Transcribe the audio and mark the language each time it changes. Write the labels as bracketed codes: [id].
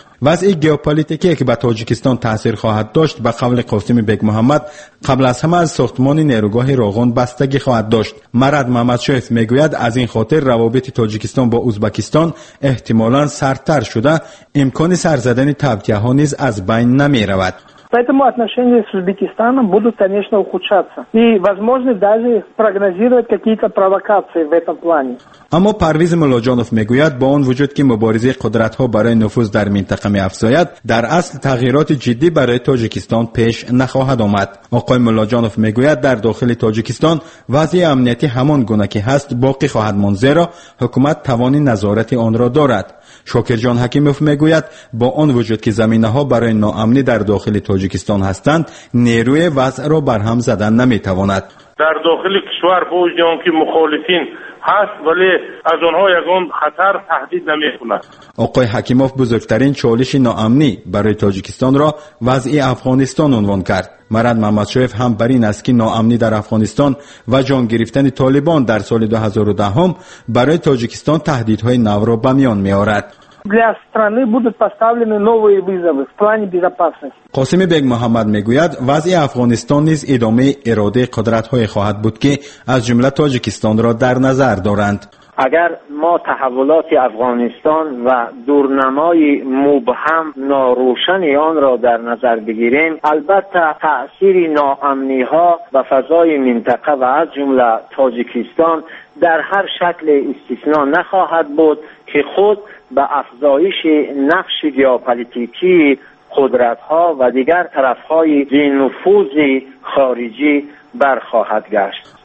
[fa] وضع گیوپولیتیکی که به تاجیکستان تاثیر خواهد داشت به قول قاسم بیگ محمد قبل از همه از ساختمان نیروگاه راغون بستگی خواهد داشت. مراد محمدشاهی میگوید از این خاطر روابط تاجیکستان با ازبکستان احتمالاً سردتر شده، امکان سرزدن توطئه‌ها نیز از بین نمی رود. [ru] Поэтому отношения с Узбекистаном будут, конечно, ухудшаться. И возможно даже прогнозировать какие-то провокации в этом плане. [tg] Амо Парвиз Молоджонов мегуяд, бо он вуджуд ки муборизе кудратҳо барои нуфуз дар минтақа меафзояд, дар асл тағйироти ҷиддӣ барои Тоҷикистон пеш нахоҳад омад. Оқои Молоджонов мегуяд, дар дохили Тоҷикистон вазъи амнияти ҳамон гуна ки ҳаст боқӣ хоҳад монд, зеро ҳукумат тавони назорати онро дорад. [fa] شاکرجان حکیموف میگوید با آن وجود که زمینه ها برای ناامنی در داخل تاجیکستان هستند نیروی وضع را بر هم زدن نمیتواند. در داخل کشور با وجود آنکه مخالفین هست ولی از آنها یگان خطر تهدید نمیکند. آقای حکیموف بزرگترین چالش ناامنی برای تاجیکستان را وضع افغانستان عنوان کرد. مراد محمدشاهی هم بر این است که ناامنی در افغانستان و جان گرفتن طالبان در سال 2010 برای تاجیکستان تهدیدهای نو را به میان می‌آورد. [ru] Для страны будут поставлены новые вызовы в плане безопасности. [fa] قاسم بیگ محمد میگوید وضع افغانستان نیز ادامه اراده قدرت‌های خواهد بود که از جمله تاجیکستان را در نظر دارند. اگر ما تحولات افغانستان و دورنمای مبهم ناروشن آن را در نظر بگیریم البته تأثیر ناامنی ها و فضای منطقه و از جمله تاجیکستان در هر شکل استثنا نخواهد بود که خود به افزایش نقش گیوپولیتیکی قدرت ها و دیگر طرف های بی‌نفوذ خارجی برخواهد گشت.